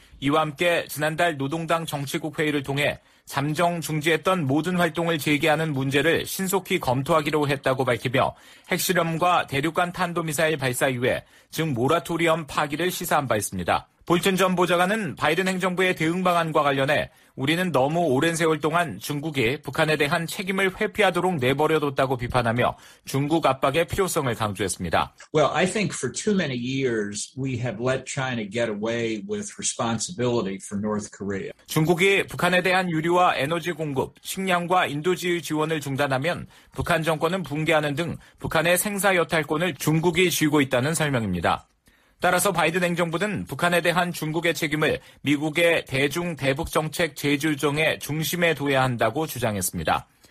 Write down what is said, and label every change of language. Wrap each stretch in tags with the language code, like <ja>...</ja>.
<ko>이와 함께 지난달 노동당 정치국 회의를 통해 잠정 중지했던 모든 활동을 재개하는 문제를 신속히 검토하기로 했다고 밝히며 핵실험과 대륙간 탄도미사일 발사 이후에 즉 모라토리엄 파기를 시사한 바 있습니다. 볼튼 전 보좌관은 바이든 행정부의 대응 방안과 관련해 우리는 너무 오랜 세월 동안 중국이 북한에 대한 책임을 회피하도록 내버려뒀다고 비판하며 중국 압박의 필요성을 강조했습니다.</ko> <en>Well, I think for too many years we have let China get away with responsibility for North Korea.</en> <ko>중국이 북한에 대한 유류와 에너지 공급, 식량과 인도지휘 지원을 중단하면 북한 정권은 붕괴하는 등 북한의 생사 여탈권을 중국이 쥐고 있다는 설명입니다. 따라서 바이든 행정부는 북한에 대한 중국의 책임을 미국의 대중 대북 정책 재조정의 중심에 둬야 한다고 주장했습니다.</ko>